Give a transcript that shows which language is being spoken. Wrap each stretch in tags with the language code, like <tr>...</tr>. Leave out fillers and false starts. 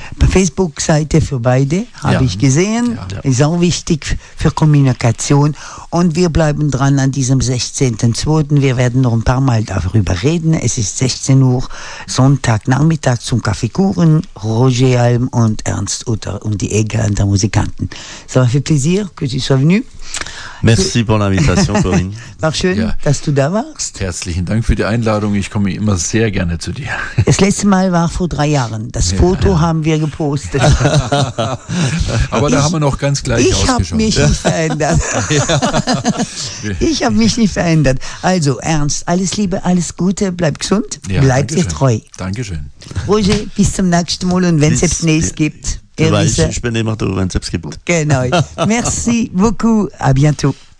<de>Facebook-Seite für beide, habe ich gesehen. Ja. Ist auch wichtig für Kommunikation. Und wir bleiben dran an diesem 16.02. Wir werden noch ein paar Mal darüber reden. Es ist 16 Uhr, Sonntagnachmittag zum Kaffeekuchen. Roger Alm und Ernst Utter und die Egger an der Musikanten.</de> <fr>Ça m'a fait plaisir que tu sois venu. Merci pour l'invitation, Corinne.</fr> <de>War schön, dass du da warst. Herzlichen Dank für die Einladung. Ich komme immer sehr gerne zu dir. Das letzte Mal war vor 3 Jahren. Das Foto haben wir gepostet. Aber da haben wir noch ganz gleich ausgeschaut. Ich habe mich nicht verändert. Also, Ernst, alles Liebe, alles Gute, bleib gesund, bleib dir treu. Dankeschön. Roger, bis zum nächsten Mal und wenn es jetzt nächstes gibt. Du weißt, ich bin immer da, wenn es gibt. Genau.</de> <fr>Merci beaucoup. À bientôt.</fr>